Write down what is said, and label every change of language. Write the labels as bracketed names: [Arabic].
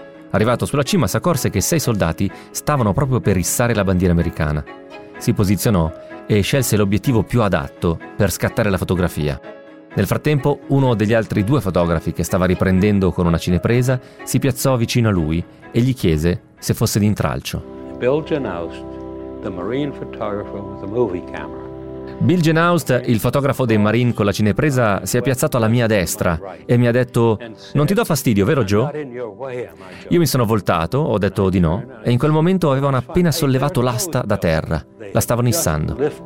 [Italian] Arrivato sulla cima, si accorse che 6 soldati stavano proprio per issare la bandiera americana. Si posizionò e scelse l'obiettivo più adatto per scattare la fotografia. Nel frattempo, uno degli altri due fotografi che stava riprendendo con una cinepresa si piazzò vicino a lui e gli chiese se fosse d'intralcio. [English] Bill Genaust, the Marine photographer with a movie camera. [Italian] Bill Genaust, il fotografo dei Marine con la cinepresa, si è piazzato alla mia destra e mi ha detto: «Non ti do fastidio, vero Joe?» Io mi sono voltato, ho detto di no, e in quel momento avevano appena sollevato l'asta da terra. La stavano issando.